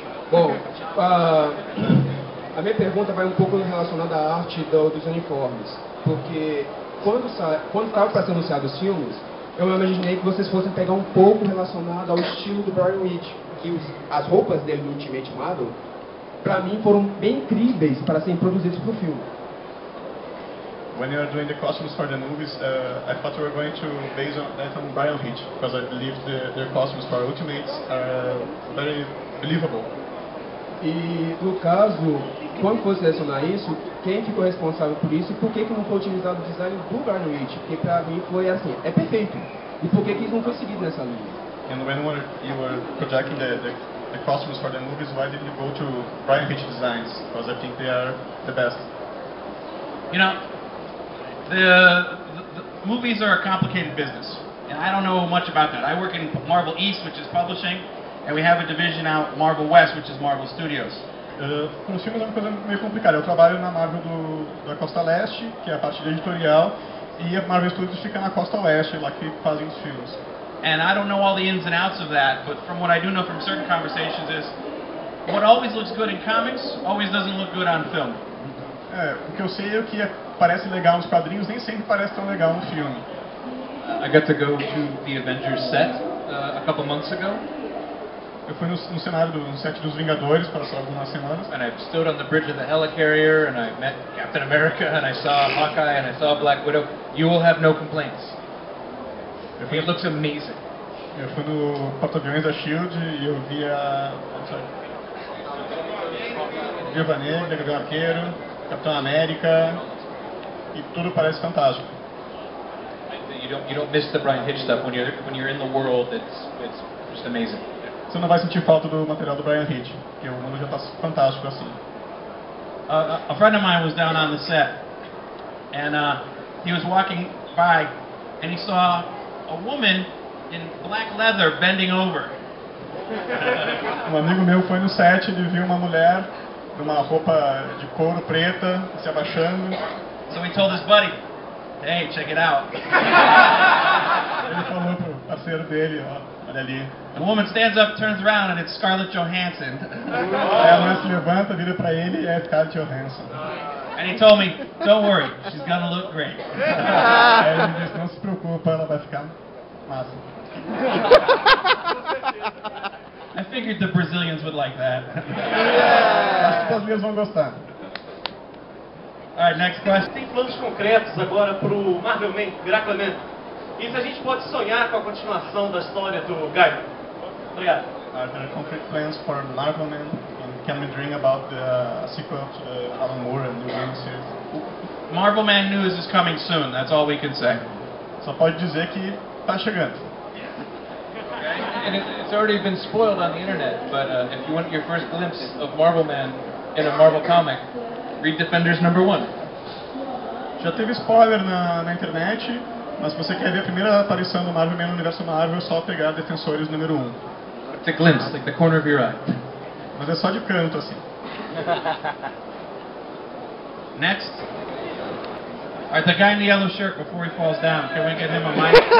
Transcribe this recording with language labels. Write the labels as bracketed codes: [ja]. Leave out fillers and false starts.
[pt] Bom, a minha pergunta vai um pouco relacionada à arte dos uniformes. Porque quando estava para ser anunciado os filmes, eu imaginei que vocês fossem pegar um pouco relacionado ao estilo do Brian Reed. Que as roupas dele no Ultimate Marvel, para mim, foram bem incríveis para serem produzidas para o filme. [en] When you are doing the costumes for the movies, I thought you were going to base that on Brian Hitch, because I believe their costumes for Ultimates are very believable. [pt] E no caso, quando foi selecionar isso, quem ficou responsável por isso e por que, que não foi utilizado o design do Brian Hitch? Porque para mim foi assim, é perfeito. E por que, que isso não foi seguido nessa linha? [en] And when you were projecting the costumes for the movies, why didn't you go to Brian Hitch designs? Because I think they are the best. You know, The movies are a complicated business, and I don't know much about that. I work in Marvel East, which is publishing, and we have a division out Marvel West, which is Marvel Studios. [pt] Com os filmes é uma coisa meio complicada. Eu trabalho na Marvel da Costa Leste, que é a parte de editorial, e a Marvel Studios fica na Costa Oeste, lá que fazem os filmes. [en] And I don't know all the ins and outs of that, but from what I do know from certain conversations is, what always looks good in comics always doesn't look good on film. [pt] O que eu sei é que parece legal nos quadrinhos, nem sempre parece tão legal no filme. [en] I got to go to the Avengers set a couple months ago. [pt] Eu fui no set dos Vingadores para só algumas semanas. [en] And I stood on the bridge of the helicarrier and I met Captain America and I saw Hawkeye and I saw Black Widow. You will have no complaints. It looks amazing. [pt] Eu fui no porta-aviões da SHIELD e eu vi a Viúva Negra, Gavião Arqueiro, Capitão América, e tudo parece fantástico. [en] You don't miss the Brian Hitch stuff when you're in the world. It's just amazing. [pt] Você não vai sentir falta do material do Brian Hitch, porque o mundo já está fantástico assim. [en] A friend of mine was down on the set, and he was walking by, and he saw a woman in black leather bending over. [pt] Um amigo meu foi no set e viu uma mulher numa roupa de couro preta, se abaixando. [en] So he told his buddy, hey, check it out. [pt] Ele falou pro parceiro dele, ó, olha ali. [en] The woman stands up, turns around, and it's Scarlett Johansson. [pt] Aí a mulher se levanta, vira pra ele e é Scarlett Johansson. [en] And he told me, don't worry, she's gonna look great. [pt] Aí ele disse, não se preocupa, ela vai ficar massa. [en] I figured the Brazilians would like that. [pt] Acho que os brasileiros vão gostar. [en] All right, next question. [pt] Tem planos concretos agora pro Marvel Man, Miracle Man? E se a gente pode sonhar com a continuação da história do Gaio? Obrigado. [en] Are there concrete plans for Marvel Man? And can we dream about the sequel to the Alan Moore and New Man series? Marvel Man news is coming soon, that's all we can say. [pt] Só pode dizer que tá chegando. [en] And it's already been spoiled on the internet, but if you want your first glimpse of Marvel Man in a Marvel comic, read Defenders number 1. [pt] Já teve spoiler na internet, mas se você quer ver a primeira aparição do Marvel Man no universo Marvel, só pegar Defensores número 1. [en] It's a glimpse, like the corner of your eye. [pt] Mas é só de canto, assim. [en] Next. All right, the guy in the yellow shirt before he falls down, can we get him a mic?